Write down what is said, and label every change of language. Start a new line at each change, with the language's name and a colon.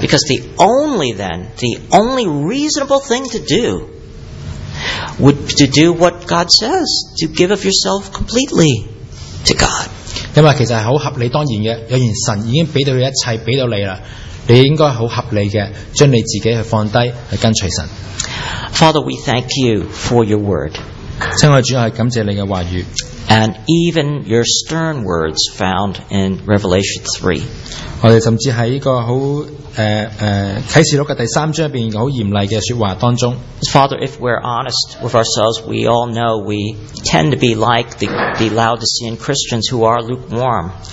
English: Because the only then, the only reasonable thing to do would be to do what God says, to give of yourself completely to God.
Chinese: 因为其实是很合理当然的，既然神已经给到他一切给到你了，你应该很合理的将你自己去放低去跟随神。
English: Father, we thank you for your word.
Chinese: 亲爱的主，感谢你的话语。
English: And even your stern words found in Revelation 3.
Chinese: 我们甚至在启示录的第三章里面很严厉的说话当中。
English: Father, if we're honest with ourselves, we all know we tend to be like the Laodicean Christians who are lukewarm.